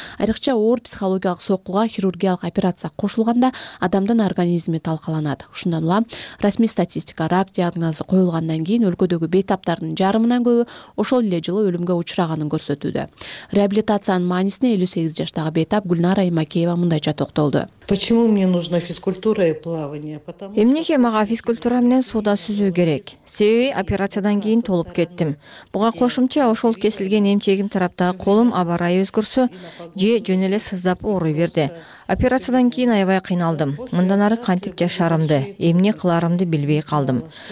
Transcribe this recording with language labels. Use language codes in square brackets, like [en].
[ky] Айрыкча оор психологиялык соккуга хирургиялык операция кошулганда адамдын организми талкаланат. Ушундан улам расмий статистика рак диагнозу коюлгандан кийин өлкөдөгү бейтаптардын жарымынан көбү ошол эле жылы өлүмгө учураганын көрсөтүүдө. Реабилитациянын маанисине 58 жаштагы бейтап Гүлнара Аймакеева мындайча токтолду. [ru] Почему мне нужна физкультура и плавание? [ky] Эмнеге мага физкультура менен сууда сүзүү керек? Себеби операциядан кийин толуп кеттим. Буга кошумча ошол кесилген эмчегим тараптагы колум абарай өзгөрсө же жөн эле сыздап ооруй берди. Операциядан кийин аябай кыйналдым. Мындан ары кантип жашарымды, эмне кыларымды билбей калдым.